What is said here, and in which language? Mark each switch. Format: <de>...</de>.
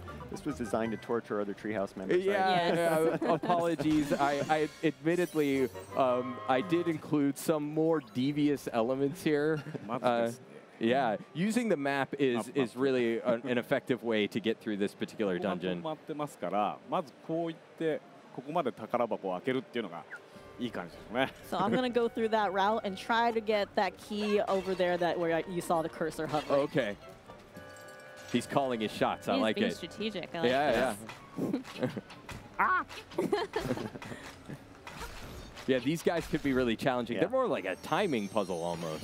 <en>This was designed to torture other Treehouse members. Yeah, right? Yes. Yeah. Apologies. I admittedly, I did include some more devious elements here. Yeah, using the map is really an effective way to get through this particular dungeon.</en> <ja>マップ待ってますから、まずこう行ってここまで宝箱を開けるっていうのがいい感じですね。</ja> <en>So I'm gonna go through that route and try to get that key over there that where you saw the cursor hover. Okay. He's calling his shots. He's I like being it. Strategic. I like yeah, this. Yeah. Ah! Yeah, these guys could be really challenging. Yeah. They're more like a timing puzzle almost.</en>